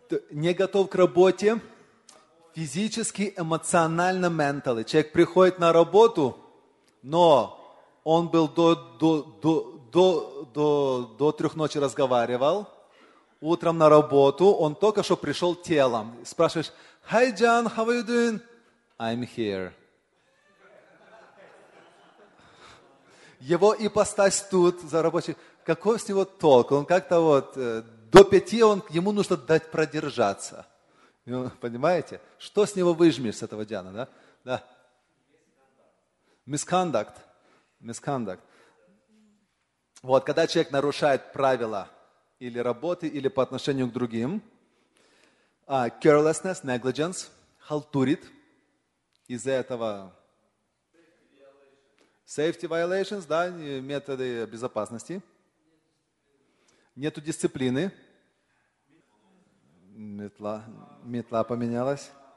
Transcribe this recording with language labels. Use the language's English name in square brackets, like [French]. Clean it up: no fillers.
[Russian] Не готов к работе физически, эмоционально, mentally. Человек приходит на работу, но он был до трех ночи разговаривал. Утром на работу он только что пришел телом. Спрашиваешь: [English] «Hi, John, how are you doing?» «I'm here». [Russian] Его ипостась тут, за рабочим. Какой с него толк? Он как-то вот до пяти, ему нужно дать продержаться. Понимаете? Что с него выжмешь, с этого Джана? Да? Да. Misconduct. Misconduct. Вот, когда человек нарушает правила или работы, или по отношению к другим. Carelessness, negligence, халтурит. Из-за этого safety violations, да, методы безопасности. Нету дисциплины. Метла поменялась.